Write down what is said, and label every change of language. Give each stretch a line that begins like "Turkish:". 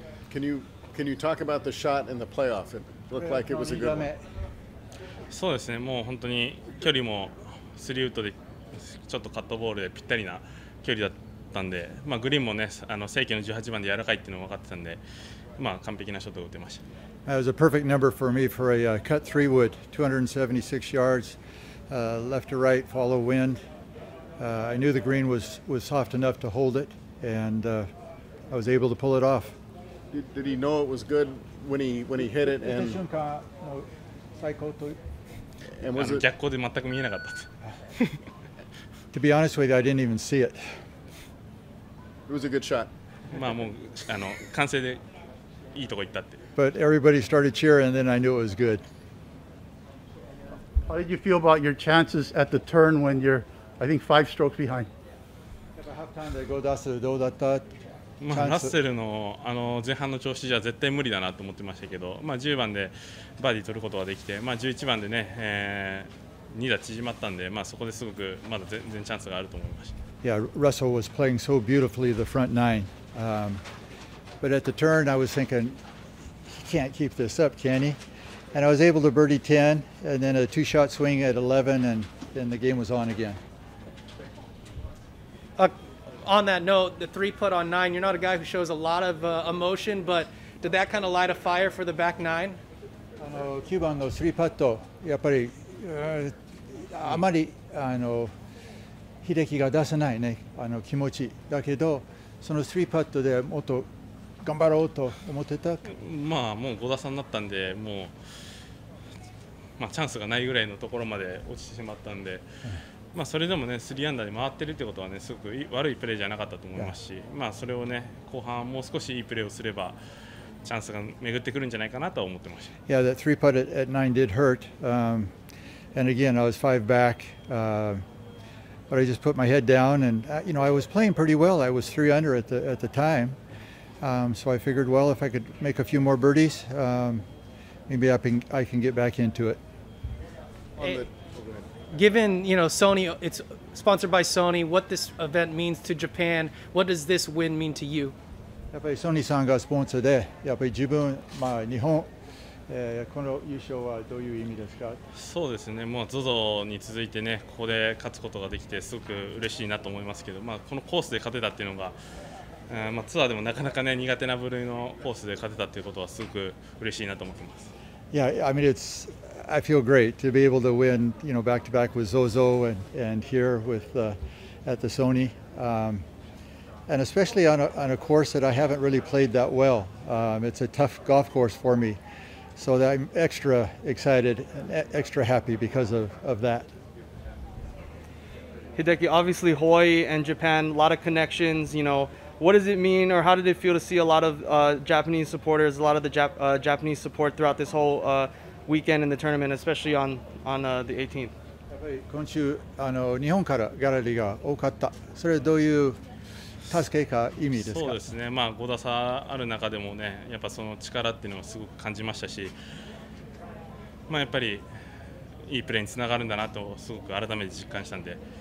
English: Can you talk about the shot in the playoff? It looked like it was a good one.
Japanese: そうですね。もう本当に距離も3ウッドでちょっとカットボールでぴったりな距離だったんで、まあグリーンもね、あの正規の18番で柔らかいっていうのも分かってたんで、まあ完璧なショットを打てました。
English: That was a perfect number for me for a cut three wood, 276 yards, left to right, follow wind. I knew the green was soft enough to hold it, and I was able to pull it off. Did he know it was good when he hit it? And was it
Japanese: 逆光で全く見えなかったと。
English: To be honest with you, I didn't even see it. It was a good shot.
Japanese: まあもうあの完成でいいとこ行ったって。
English: But everybody started cheering, and then I knew it was good. How did you feel about your chances at the turn when you're, I think, five strokes behind? Have a half time to go Russell. How was that?
Japanese: まあ、ラッセルの、あの前半の調子じゃ絶対無理だなと思ってましたけど、まあ、10番でバーディー取ることができて、まあ、11番で、ね2打縮まったんで、まあ、そこですごくまだ全然チャンスがあると思いました。
English: Yeah, Russell was playing so beautifully the front nine. But at the turn, I was thinking, he can't keep this up, can he? And I was able to birdie 10, and then a two-shot swing at 11, and then the game was on again. On that note, the three putt on nine, you're not a guy who shows a lot of emotion, but did that kind of light a fire for the back nine?
Japanese: 9番の3パット、やっぱり、あまり、秀樹が出せないね、あの気持ちだけど、その3パットでもっと頑張ろうと思ってた。まあ、もう5打差になったんで、もう、まあ、チャンスがないぐらいのところまで落ちてしまったんで。まあ、それでもね、3アンダーで回ってるってことはね、すごく悪いプレーじゃなかったと思いますし、まあ、それをね、後半もう少しいいプレーをすれば、チャンスが巡ってくるんじゃないかなと思ってました。
English: Yeah, that three putt at nine did hurt. And again, I was five back. But I just put my head down and, you know, I was playing pretty well. I was three under at the time. So I figured, well, if I could make a few more birdies, maybe I can get back into it. Given, you know, Sony, it's sponsored by Sony, what this event means to Japan, what does this win mean to you?
Japanese: やっぱりソニーさんがスポンサーで、やっぱり自分、まあ、日本、この優勝はどういう意味ですか？そうですね、もう ZOZO に続いてね、ここで勝つことができて、すごく嬉しいなと思いますけど、まあ、このコースで勝てたっていうのが、まあ、ツアーでもなかなかね、苦手な部類のコースで勝てたっていうことは、すごく嬉しいなと思ってます。
English: Yeah, I mean, it's... I feel great to be able to win, you know, back to back with ZOZO and here with at the Sony, and especially on a course that I haven't really played that well. It's a tough golf course for me, so that I'm extra excited and extra happy because of that. Hideki, obviously Hawaii and Japan, a lot of connections. You know, what does it mean, or how did it feel to see a lot of Japanese supporters, a lot of the Japanese support throughout this whole. Weekend in the tournament, especially on the 18th.
Japanese: 今週あの日本からギャラリーが多かった。それはどういう助けか意味ですか？そうですね。まあ5打差ある中でもね、やっぱその力っていうのをすごく感じましたし、まあやっぱりいいプレーにつながるんだなとすごく改めて実感したんで。